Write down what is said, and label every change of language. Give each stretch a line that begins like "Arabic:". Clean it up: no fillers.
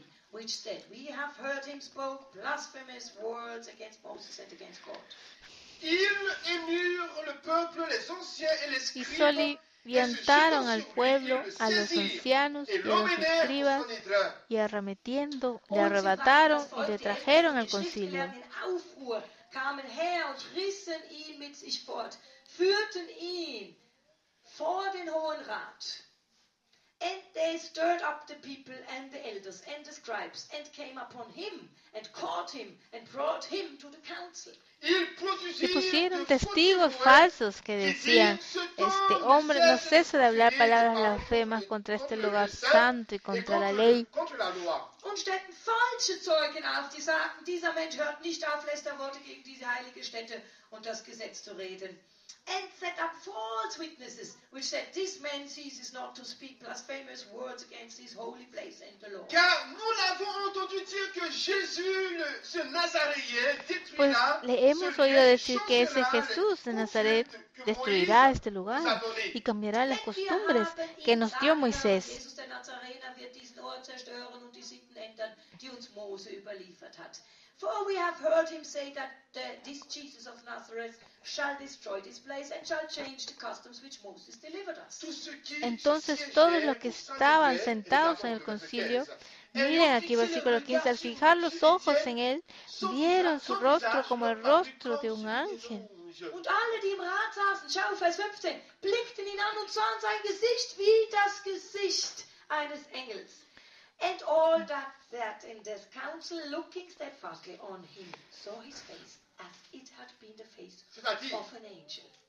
English: Which said, we have heard him spoke blasphemous words against Moses and against God.
French: Ils émurent le peuple, les anciens et les scribes.
Spanish: Y entraron al pueblo, a los ancianos y a los escribas, y arremetiendo, le arrebataron y le trajeron al concilio.
German: Kamen her und rissen ihn mit sich fort, führten ihn vor den hohen Rat.
English: And they stirred up the people and the elders and the scribes and came upon him and caught him and brought him to the council.
Spanish: Y pusieron testigos falsos que decían: este hombre no cesa de hablar palabras blasfemas contra este lugar santo y contra la ley.
German: Und stellten falsche Zeugen auf, die sagten: dieser Mensch hört nicht auf, Lästerworte gegen diese heilige Stätte und das Gesetz zu reden.
English: And set up false witnesses, which said, this man ceases not to speak blasphemous words against his holy place and the law.
French: Car nous l'avons entendu dire que Jésus, ce Nazaréen, détruira.
Spanish: Pues le hemos oído decir que ese Jesús de Nazaret destruirá este lugar y cambiará las costumbres que nos dio Moisés.
German: Jesús de Nazarena wird diesen Ort zerstören und die Sitten ändern, die uns Mose überliefert hat.
English: For we have heard him say that this Jesus of Nazareth shall destroy this place and shall change the customs which Moses delivered us.
Spanish: Entonces todos los que estaban sentados en el concilio, miren aquí versículo 15, al fijar los ojos en él, vieron su rostro como el rostro de un ángel.
German: Und alle, die im Rat saßen, schau, Vers 15, blickten ihn an und sahen sein Gesicht wie das Gesicht eines Engels.
English: And all that sat in the council, looking steadfastly on him, saw his face as it had been the face of an angel.